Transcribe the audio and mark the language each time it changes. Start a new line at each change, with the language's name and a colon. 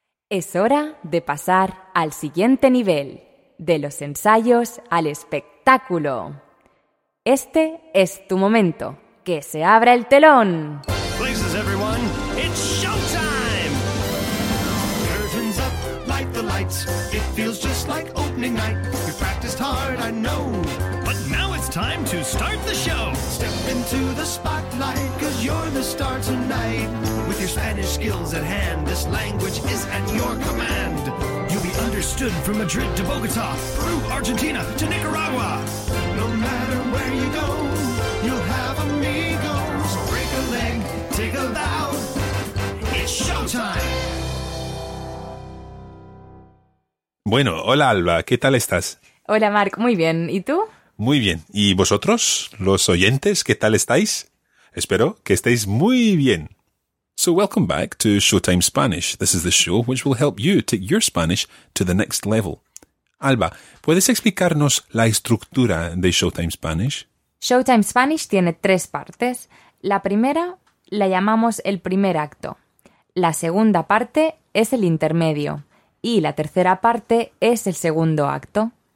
Spanish: Es hora de pasar al siguiente nivel, de los ensayos al espectáculo. Este es tu momento. ¡Que se abra el telón!
English: Places, everyone, it's showtime! Curtains up, light the lights. It feels just like opening night. We practiced hard, I know. But now it's time to start the show. Step into the spotlight, cause you're the star tonight. With your Spanish skills at hand, this language is at your command. You'll be understood from Madrid to Bogota, Peru, Argentina to Nicaragua. No matter where you go, you'll have amigos. Break a leg, take a bow. It's showtime.
Spanish: Bueno, hola Alba, ¿qué tal estás? Hola Marc, muy bien, ¿y tú? Muy bien, ¿y vosotros, los oyentes, qué tal estáis? Espero que estéis muy bien.
English: So welcome back to Showtime Spanish. This is the show which will help you take your Spanish to the next level.
Spanish: Alba, ¿puedes explicarnos la estructura de Showtime Spanish? Showtime Spanish tiene tres partes. La primera la llamamos el primer acto. La segunda parte es el intermedio. Y la tercera parte es el segundo acto.